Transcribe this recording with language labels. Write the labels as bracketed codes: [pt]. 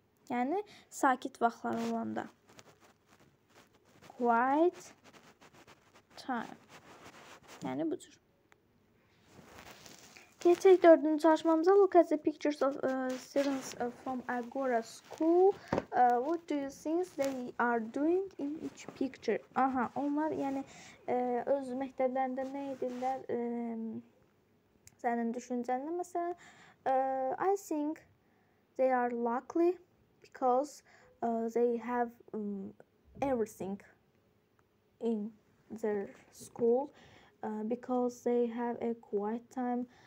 [az] Yəni sakit vaxtları olanda. [en] Quiet time. [az] Yəni bu cür. Keçək 4-cü çalışmamıza. [en] Look at the pictures of students from Agora School. What do you think they are doing in each picture? [az] Aha, onlar yəni öz məktəblərində nə edirlər? Sənin düşüncənlə məsələn, [en] I think they are lucky because they have everything in their school because they have a quiet time.